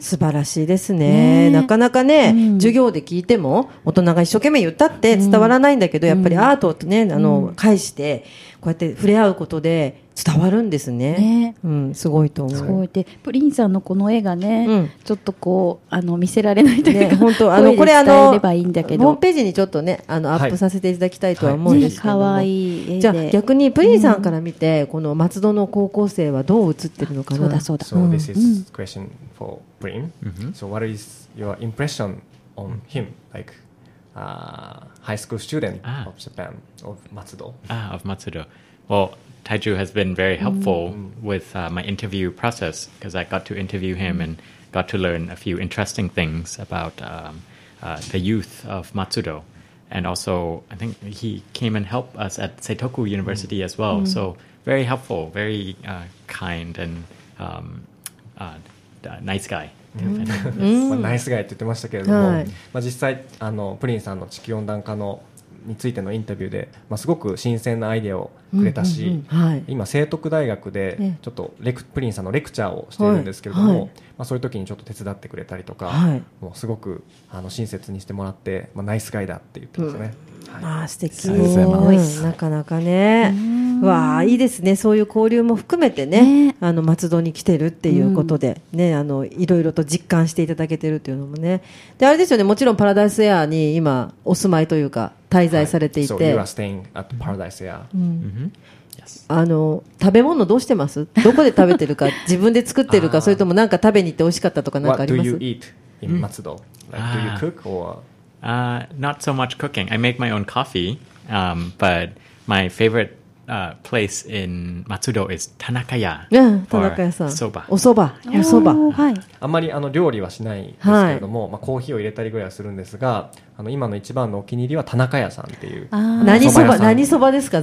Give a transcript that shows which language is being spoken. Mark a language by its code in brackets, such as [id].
[ja] 素晴らしいです ね、なかなかね、うん、授業で聞いても大人が一生懸命言ったって伝わらないんだけど、やっぱりアートをね、介してこうやって触れ合うことで伝わるんです ね、うん、すごいと思う。すごい。でプリンさんのこの絵がね、うん、ちょっとこうあの見せられないというか、ね、本当あのこれ伝えればいいんだけど、ホームページにちょっとねあのアップさせていただきたいとは思うんですけども、はわいい絵で。じゃあ逆にプリンさんから見て、うん、この松戸の高校生はどう映ってるのかな。そうだそうだ。 [en] So this is question for Prin. So what is your impression on him? Like high school student of Japan, of Matsudo. Ah, of Matsudo. Well, Taiju has been very helpful with my interview process, because I got to interview him and got to learn a few interesting things about the youth of Matsudo. And also, I think he came and helped us at Seitoku University as well. So very helpful, very kind and nice guy. [ja] まあ、ナイスガイって言ってましたけれども、はい、まあ、実際あのプリンさんの地球温暖化のについてのインタビューで、まあ、すごく新鮮なアイデアをくれたし、うんうんうん、はい、今聖徳大学でちょっとプリンさんのレクチャーをしているんですけれども、はい、まあ、そういう時にちょっと手伝ってくれたりとか、はい、もうすごくあの親切にしてもらって、まあ、ナイスガイだって言ってますね、うん、はい、あ、素敵。ありがとうございます。なかなかね、わあ、いいですね。そういう交流も含めてね、あの松戸に来てるっていうことで、ね、あのいろいろと実感していただけてるっていうのもね。であれですよね、もちろんパラダイスエアに今お住まいというか滞在されていて、 [en] はい、So you are staying at Paradise Air、 [ja] うん、あの食べ物どうしてます、どこで食べてるか自分で作ってるか、それともなんか食べに行って美味しかったとかなんかあります。 [en] What do you eat in 松戸、うん、like, do you cook or not so much cooking. I make my own coffee, but my favoriteplace in Matsudo is Tanakaya. Tanakaya san. [ja] Soba. O soba. O soba. Hi. あんまりあの料理はしないんですけれども、はい、まあ、コーヒーを入れたりぐらいはするんですが、あの今の一番のお気に入りは Tanakaya san っていう。あ、何そば、何そばですか？